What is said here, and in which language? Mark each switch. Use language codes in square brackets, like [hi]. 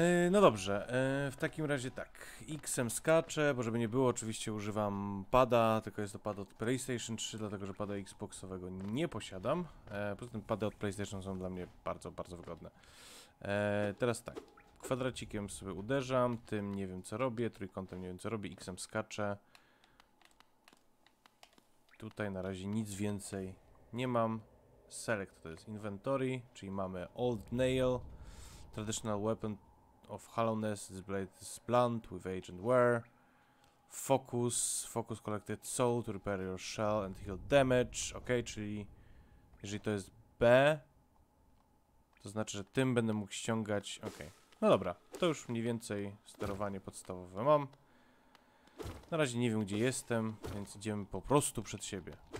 [pl] No dobrze, w takim razie tak. X-em skaczę, bo żeby nie było, oczywiście używam pada, tylko jest to pad od PlayStation 3, dlatego że pada Xboxowego nie posiadam. Poza tym pady od PlayStation są dla mnie bardzo, bardzo wygodne. Teraz tak, kwadracikiem sobie uderzam, tym nie wiem co robię, trójkątem nie wiem co robię, X-em skaczę. Tutaj na razie nic więcej nie mam. [en] Select [pl] to jest inventory, czyli mamy [en] old nail, traditional weapon of hollowness, this blade is blunt with age and wear. Focus collected soul to repair your shell and heal damage. [pl] Ok, czyli jeżeli to jest B, to znaczy, że tym będę mógł ściągać. Ok, no dobra, to już mniej więcej sterowanie podstawowe mam. Na razie nie wiem, gdzie jestem, więc idziemy po prostu przed siebie.